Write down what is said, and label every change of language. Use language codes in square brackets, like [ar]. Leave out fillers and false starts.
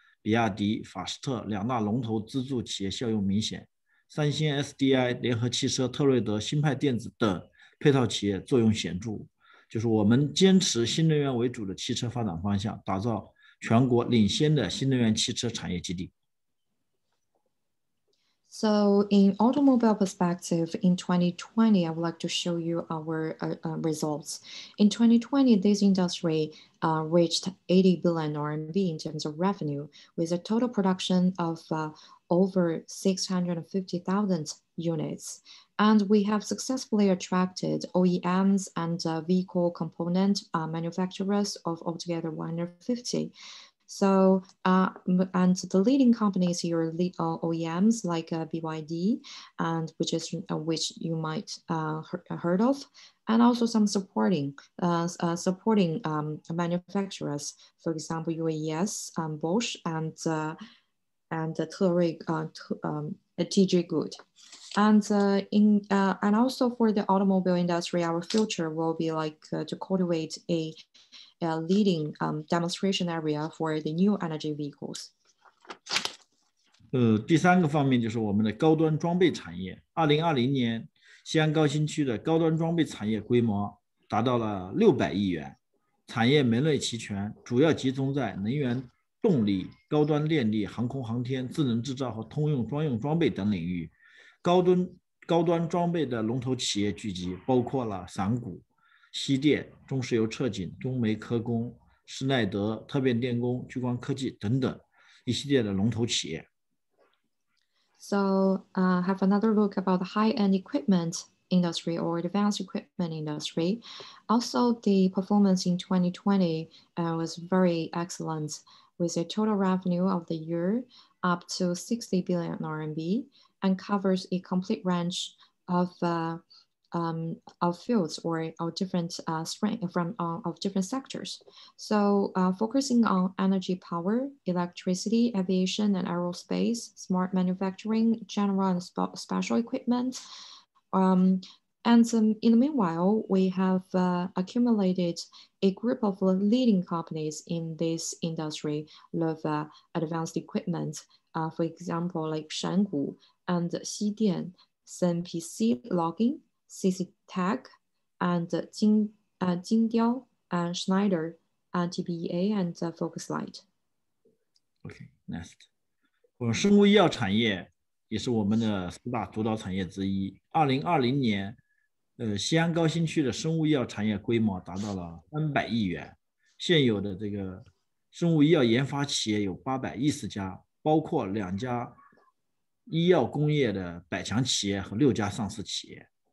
[zh] 比亚迪、法斯特两大龙头支柱企业效用明显，三星 SDI、联合汽车、特锐德、新派电子等配套企业作用显著。就是我们坚持新能源为主的汽车发展方向，打造全国领先的新能源汽车产业基地。 [en] So in automobile perspective, in 2020, I would like to show you our results. In 2020, this industry reached 80 billion RMB in terms of revenue with a total production of over 650,000 units. And we have successfully attracted OEMs and vehicle component manufacturers of altogether 150. So, and the leading companies here, OEMs like BYD, and which you might heard of, and also some supporting manufacturers, for example, UAS, Bosch, and TJ Good. And also for the automobile industry, our future will be like to cultivate a leading demonstration area for the new energy vehicles. [zh] 第三个方面就是我们的高端装备产业。2020年，西安高新区的高端装备产业规模达到了600亿元，产业门类齐全，主要集中在能源、动力、高端电力、航空航天、智能制造和通用专用装备等领域。高端装备的龙头企业聚集包括了散谷、西电、中石油测井、中煤科工、施耐德、特变电工、聚光科技等等一系列的龙头企业。 [en] So, have another look about the high-end equipment industry or advanced equipment industry. Also, the performance in 2020 was very excellent. with a total revenue of the year up to 60 billion RMB and covers a complete range of fields or different strength from of different sectors. So focusing on energy power, electricity, aviation and aerospace, smart manufacturing, general and special equipment. In the meanwhile, we have accumulated a group of leading companies in this industry of advanced equipment, for example, like Shangu and Xidian, SNPC Logging, CC Tech, and Jingdiao, and Schneider, and TBEA, and Focuslight. Okay, next. [zh] Well, 生物医药产业也是我们的四大主导产业之一。 2020年, 西安高新区的生物医药产业规模达到了300亿元, 现有的这个生物医药研发企业有810家, 包括2家医药工业的百强企业和6家上市企业。